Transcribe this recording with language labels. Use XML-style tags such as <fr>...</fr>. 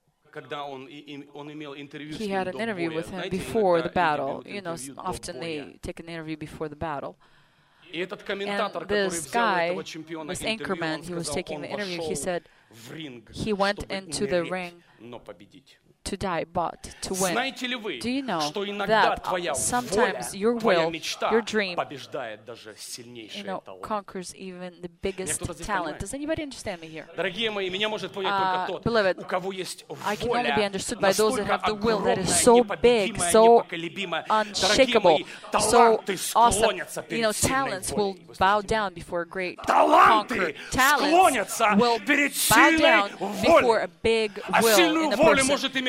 <ru>когда он имел интервью с</ru> <en>ним, had an interview with him before the battle. You know, often they take an interview before the battle.</en> <ru>И этот комментатор, который взял этого чемпиона интервью, он сказал, он вошел в ринг, чтобы не умереть, но победить.</ru> <en>He went into the ring to die, but to win.</en> <ru>Знаете ли вы, что иногда твоя воля,</ru> <en>your will,</en> <ru>твоя мечта,</ru> <en>your dream,</en> <ru>побеждает даже сильнейший талант?</ru> <en>Conquers even the biggest talent. Does anybody understand me here?</en> <ru>Дорогие мои, меня может понять только тот, у кого есть воля,</ru> <en>I can only be understood by those that have the will that is so big, so unshakable, so awesome. You know, talents will bow down before a great conqueror. Talents will bow down before a big will in a person.</en>